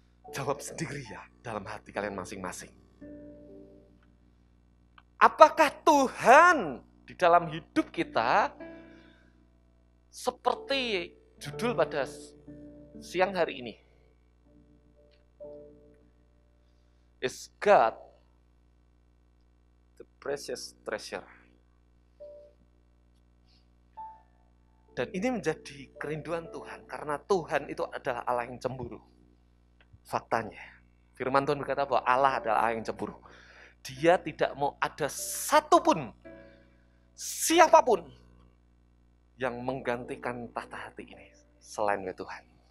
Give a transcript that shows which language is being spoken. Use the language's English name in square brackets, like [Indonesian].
[Indonesian] Jawab sendiri ya dalam hati kalian masing-masing. Apakah Tuhan di dalam hidup kita seperti judul pada siang hari ini? [English] Is God the precious treasure? [Indonesian] Dan ini menjadi kerinduan Tuhan, karena Tuhan itu adalah Allah yang cemburu. Faktanya, firman Tuhan berkata bahwa Allah adalah Allah yang cemburu. Dia tidak mau ada satupun, siapapun, yang menggantikan tahta hati ini, selain dari Tuhan.